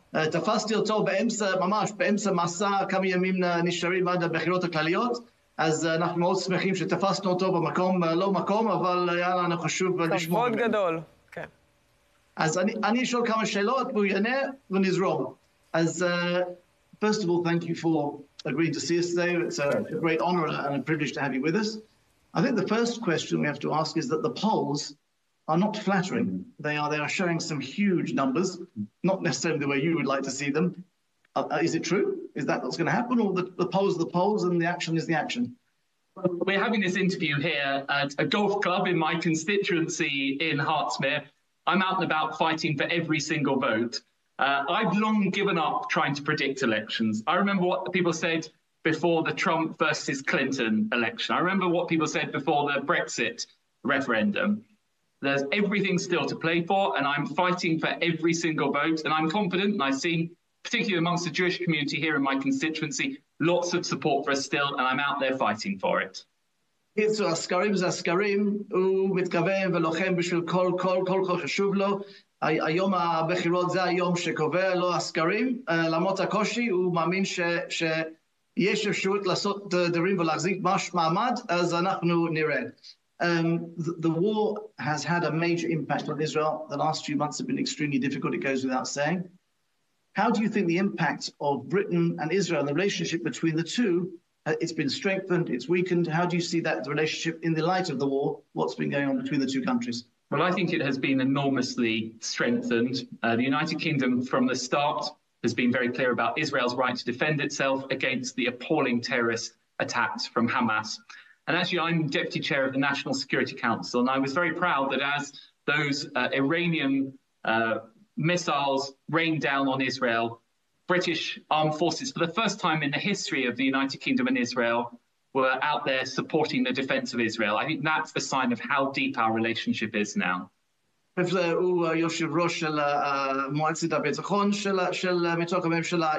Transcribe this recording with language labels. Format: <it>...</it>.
<he>תפסתי אותו באמצע, ממש באמצע מסע, כמה ימים נשארים עד הבחירות הכלליות. אז אנחנו מאוד שמחים שתפסנו אותו במקום, לא מקום, אבל היה לנו חשוב לשמוע. כבוד גדול. אז אני אשאל כמה שאלות, והוא יענה ונזרום.</he> <en>אז, first of all, thank you for agreeing to see us today. It's a great honor and a privilege to have you with us. I think the first question we have to ask is that the polls are not flattering. They are showing some huge numbers, not necessarily the way you would like to see them. Is it true? Is that what's going to happen? Or the polls are the polls and the action is the action? We're having this interview here at a golf club in my constituency in Hartsmere. I'm out and about fighting for every single vote. I've long given up trying to predict elections. I remember what the people said before the Trump versus Clinton election. I remember what people said before the Brexit referendum. There's everything still to play for, and I'm fighting for every single vote. And I'm confident, and I've seen, particularly amongst the Jewish community here in my constituency, lots of support for us still, and I'm out there fighting for it.</en> <he>קיצור, הסקרים זה הסקרים, הוא מתכוון ולוחם בשביל כל חשוב לו. היום הבחירות זה היום שקובע, לא הסקרים. למרות הקושי, הוא מאמין שיש אפשרות לעשות דברים ולהחזיק מעמד, אז אנחנו נראה.</he> <en>The war has had a major impact on Israel. The last few months have been extremely difficult, it goes without saying. How do you think the impact of Britain and Israel, the relationship between the two, it's been strengthened, it's weakened. How do you see that relationship in the light of the war, what's been going on between the two countries? Well, I think it has been enormously strengthened. The United Kingdom, from the start, has been very clear about Israel's right to defend itself against the appalling terrorist attacks from Hamas. And actually, I'm deputy chair of the National Security Council, and I was very proud that as those Iranian missiles rained down on Israel, British armed forces, for the first time in the history of the United Kingdom and Israel, were out there supporting the defense of Israel. I think that's a sign of how deep our relationship is now.</en> <he>הוא יושב ראש של מועצת הביטחון של מתוך הממשלה.</he>